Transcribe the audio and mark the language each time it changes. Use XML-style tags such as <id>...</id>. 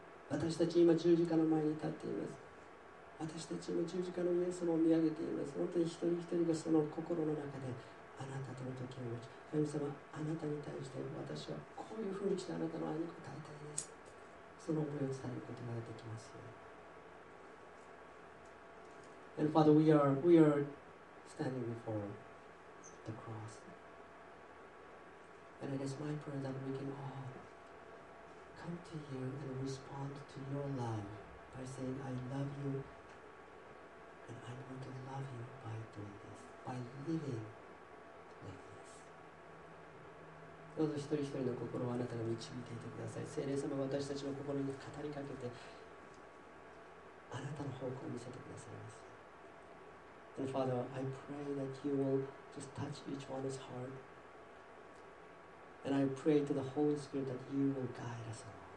<ja>私たち今十字架の前に立っています。私たち今十字架のイエス様を見上げています。本当に一人一人がその心の中であなたとの時を持ち、神様あなたに対して私はこういうふうにしてあなたの愛に応えたいです、その思いを伝えることができますように。</ja> <en>And Father, we are standing before the cross, and it is my prayer that we can allcome to you and respond to your love by saying, I love you and I want to love you by doing this, by living like this.</en> <ja>どうぞ一人一人の心をあなたが導いていてください。聖霊様が私たちの心に語りかけてあなたの方向を見せてくださいます。</ja> <en>And Father, I pray that you will just touch each one's heart And I pray to the Holy Spirit that you will guide us all.</en>